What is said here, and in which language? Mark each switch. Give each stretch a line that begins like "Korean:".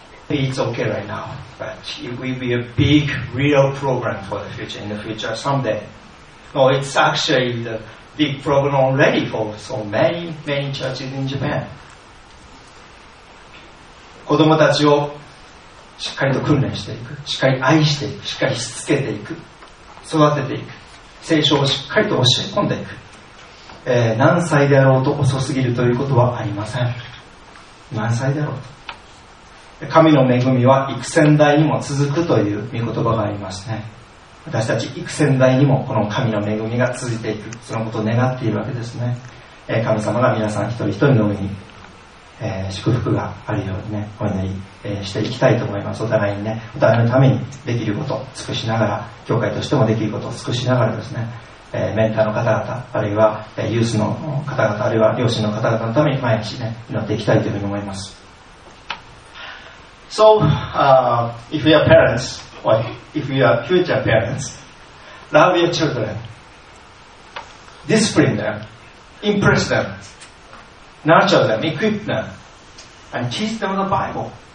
English: It's okay right now, but it will be a big, real program for the future, in the future, someday. No, it's actually the big program already for so many, many churches in Japan.
Japanese: 子供たちをしっかりと訓練していく、しっかり愛していく、しっかりしつけていく、育てていく、聖書をしっかりと教え込んでいく、何歳であろうと遅すぎるということはありません。何歳であろうと、神の恵みは幾千代にも続くという御言葉がありますね。私たち幾千代にもこの神の恵みが続いていく、そのことを願っているわけですね。神様が皆さん一人一人の上に祝福があるようにね、お祈りしていきたいと思います。お互いにね、お互いのためにできることを尽くしながら、教会としてもできることを尽くしながらですね、メンターの方々、あるいはユースの方々、あるいは両親の方々のために毎日ね祈っていきたいというふうに思います。
English: So if you are parents or if you are future parents, love your children, discipline them, impress themNurture them, equip them, and teach them the Bible.